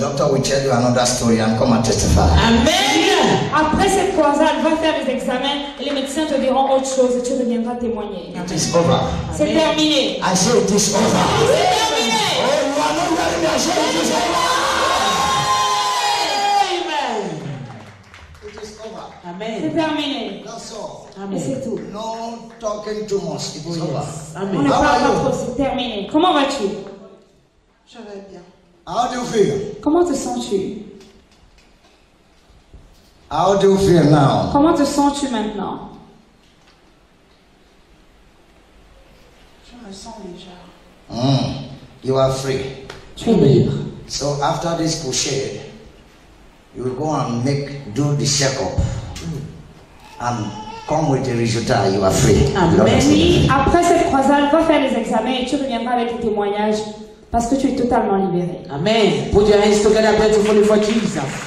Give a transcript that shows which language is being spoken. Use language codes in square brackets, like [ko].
[en] Doctor will tell you another story and come and testify. Amen. [fr] Après cette croisade, va faire les examens et les médecins te diront autre chose et tu reviendras témoigner. [en] It is over. [fr] C'est terminé. [en] I say it is over. [fr] C'est terminé. [en] Oh, you are not ready. I say it is over. Amen. It is over. [fr] C'est terminé. [en] That's all. [fr] Amen. Et c'est tout. [en] No talking too much. It is over. [fr] Amen. On ne parle pas trop. C'est terminé. Comment vas-tu? [en] How do you feel? [fr] Comment te sens-tu? [en] How do you feel now? [fr] Comment te sens-tu maintenant? Je me sens légère. [en] You are free. [fr] Tu es libre. [en] So after this crochet, you will go and make do the checkup and come with the result. You are free. [fr] Amen. Oui. Après cette croisade, va faire les examens et tu reviendras avec le témoignage. Parce que tu es totalement libéré. Amen. [en] Put your hands together and pray to Holy for Jesus.